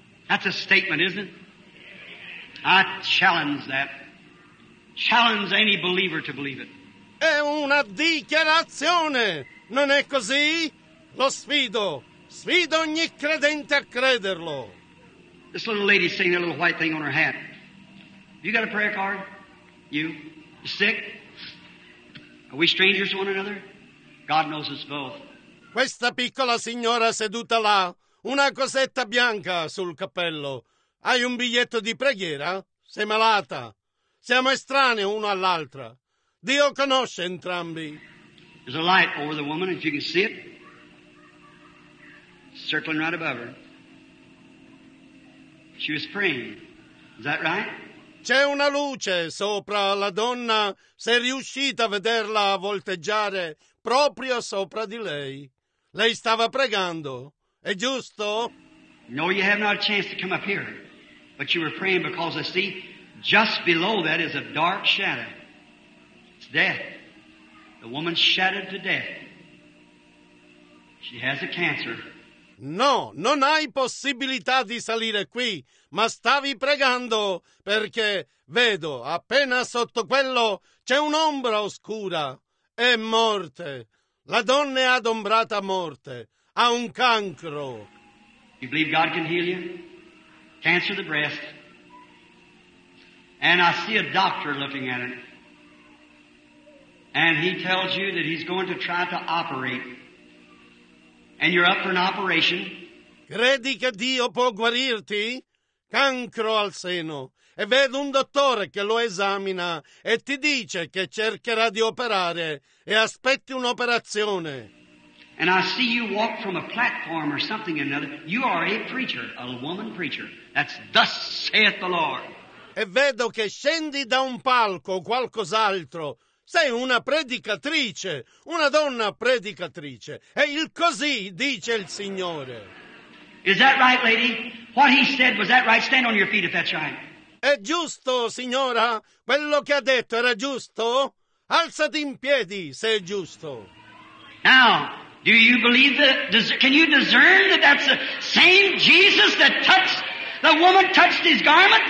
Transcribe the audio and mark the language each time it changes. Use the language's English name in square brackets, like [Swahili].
[English] That's a statement, isn't it? I challenge that. Challenge any believer to believe it. [Italian] È una dichiarazione, non è così? Lo sfido. Sfido ogni credente a crederlo. [English] This little lady seeing that little white thing on her hat. You got a prayer card? You? You sick? Are we strangers to one another? God knows us both. [Italian] Questa piccola signora seduta là, una cosetta bianca sul cappello. Hai un biglietto di preghiera? Sei malata. Siamo estranei uno all'altra. Dio conosce entrambi. [English] There's a light over the woman, if you can see it. Circling right above her. She was praying. Is that right? [Italian] C'è una luce sopra la donna. Sei riuscita a vederla volteggiare proprio sopra di lei. Lei stava pregando. È giusto? [English] No, you have not a chance to come up here. But you were praying because I see just below that is a dark shadow. It's death. The woman's shattered to death. She has a cancer. [Italian] No, non hai possibilità di salire qui, ma stavi pregando perché, vedo, appena sotto quello c'è un'ombra oscura. È morte. La donna è adombrata a morte. Ha un cancro. [English] You believe God can heal you? Cancer of the breast. And I see a doctor looking at it. And he tells you that he's going to try to operate. And you're up for an operation. [Italian] Credi che Dio può guarirti? Cancro al seno. E vedo un dottore che lo esamina e ti dice che cercherà di operare e aspetti un'operazione. [English] And I see you walk from a platform or something or another. You are a preacher, a woman preacher. That's thus saith the Lord. [Italian] E vedo che scendi da un palco o qualcos'altro. Sei una predicatrice, una donna predicatrice. E il così dice il Signore. [English] Is that right, lady? What he said, was that right? Stand on your feet if that's right. [Italian] È giusto, signora? Quello che ha detto era giusto? Alzati in piedi, se è giusto. [English] Now, do you believe that, can you discern that that's the same Jesus that touched, the woman touched his garment?